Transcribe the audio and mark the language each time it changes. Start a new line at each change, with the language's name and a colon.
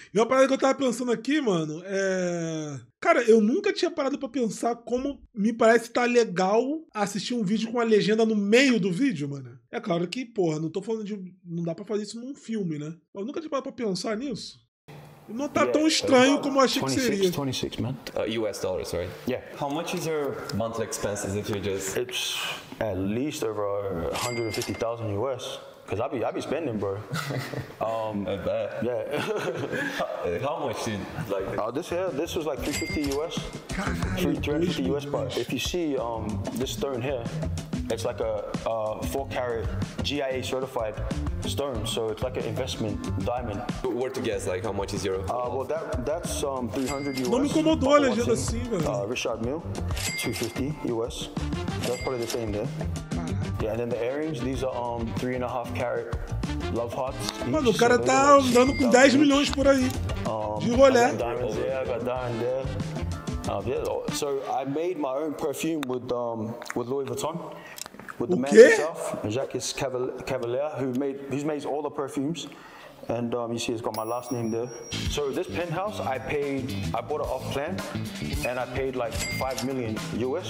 Portuguese: E uma parada que eu tava pensando aqui, mano, é... Cara, eu nunca tinha parado pra pensar como me parece tá legal assistir um vídeo com a legenda no meio do vídeo, mano. É claro que, porra, não tô falando de... Não dá pra fazer isso num filme, né? Eu nunca tinha parado pra pensar nisso. Não tá tão estranho como eu achei que seria.
English: 26, man. US dollars, right? Yeah. How much is your monthly expenses if you just... It's at least over 150,000 US. Cause I be spending, bro. I bet. Yeah. How much did like? Oh, this here, this was like 350 US. 350 US, but if you see this stone here, it's like a 4-carat GIA certified stone, so it's like an investment diamond. But where to guess, like how much is your? Well, that's 300 US.
Portuguese: Não me incomodou a legenda assim, velho.
English: Richard Mille, 250 US. That's probably the same there. Yeah, and then the earrings, these are 3.5-carat love hearts.
Portuguese: Mano, o cara tá andando com 10 milhões por aí. De rolé.
English: Diamonds, yeah, I got diamonds there. Yeah. So I made my own perfume with Louis Vuitton. With the
Portuguese: o
English: man
Portuguese: quê?
English: Himself, Jacques Cavalier, who made all the perfumes. And you see, it's got my last name there. So this penthouse, I bought it off plan, and I paid like 5 million US.